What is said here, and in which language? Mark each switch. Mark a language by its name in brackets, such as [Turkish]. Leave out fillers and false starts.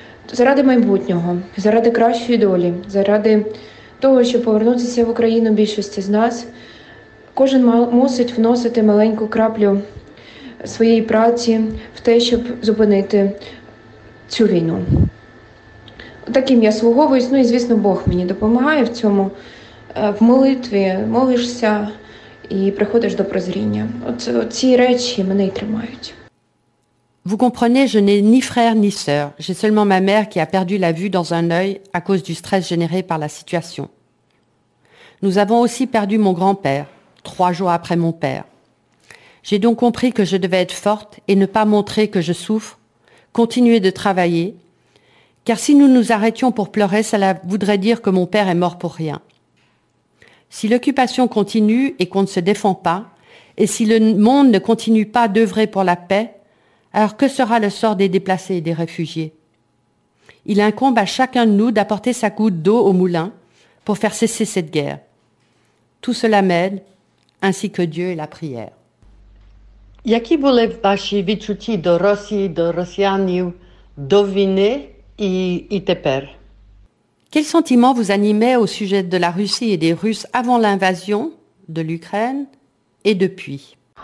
[Ukrainian] То заради майбутнього, заради кращої долі, заради того, щоб повернутися в Україну більшості з нас, кожен мусить вносити маленьку краплю своєї праці в те, щоб зупинити цю війну. Таким я слуговуюсь, ну і звісно, Бог мені допомагає в цьому, в молитві, молишся і приходиш до прозріння. Ці речі мене й тримають. [French] Vous comprenez, je n'ai ni frère ni sœur. J'ai seulement ma mère qui a perdu la vue dans un œil à cause du stress généré par la situation. Nous avons aussi perdu mon grand-père, 3 jours après mon père. J'ai donc compris que je devais être forte et ne pas montrer que je souffre, continuer de travailler, car si nous nous arrêtions pour pleurer, cela voudrait dire que mon père est mort pour rien. Si l'occupation continue et qu'on ne se défend pas, et si le monde ne continue pas d'œuvrer pour la paix, alors que sera le sort des déplacés et des réfugiés? Il incombe à chacun de nous d'apporter sa goutte d'eau au moulin pour faire cesser cette guerre. Tout cela m'aide, ainsi que Dieu et la prière. [Ukrainian] Які були ваші відчуті до Росії, до росіянів, до війни і тепер? [French] Quels sentiments vous animaient au sujet de la Russie et des Russes avant l'invasion de l'Ukraine et depuis?